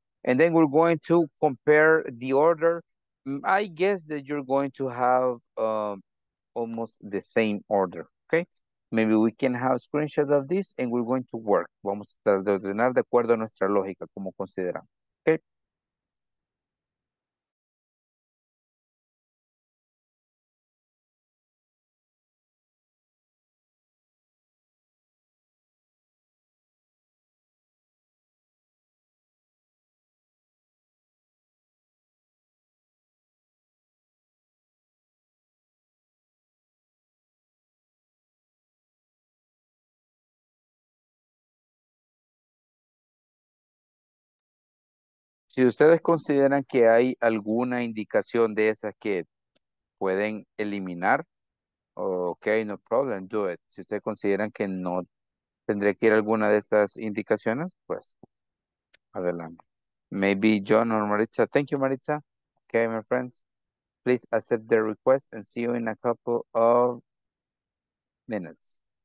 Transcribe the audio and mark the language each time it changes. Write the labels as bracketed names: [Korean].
[English] And then we're going to compare the order. I guess that you're going to have almost the same order, okay? Maybe we can have a screenshot of this and we're going to work. [Spanish] Vamos a tratar de ordenar de acuerdo a nuestra lógica, como consideramos, okay? Si ustedes consideran que hay alguna indicación de esas que pueden eliminar, [English] ok, no problem, do it. [Spanish] Si ustedes consideran que no tendría que ir a alguna de estas indicaciones, pues adelante. [English] Maybe John or Maritza. Thank you, Maritza. Okay, my friends, please accept the request and see you in a couple of minutes.